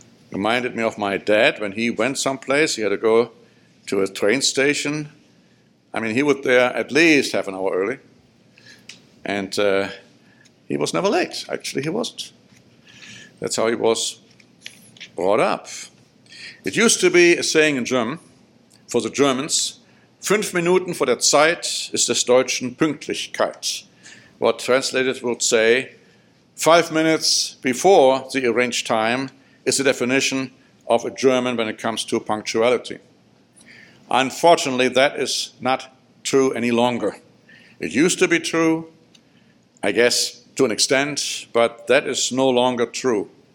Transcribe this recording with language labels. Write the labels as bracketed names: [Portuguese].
[English] Reminded me of my dad when he went someplace. He had to go to a train station. I mean, he would there at least half an hour early. And he was never late. Actually, he wasn't. That's how he was brought up. It used to be a saying in German, for the Germans, [German] 5 Minuten vor der Zeit ist des Deutschen Pünktlichkeit. [English] What translated would say, 5 minutes before the arranged time is the definition of a German when it comes to punctuality. Unfortunately, that is not true any longer. It used to be true, I guess, to an extent, but that is no longer true.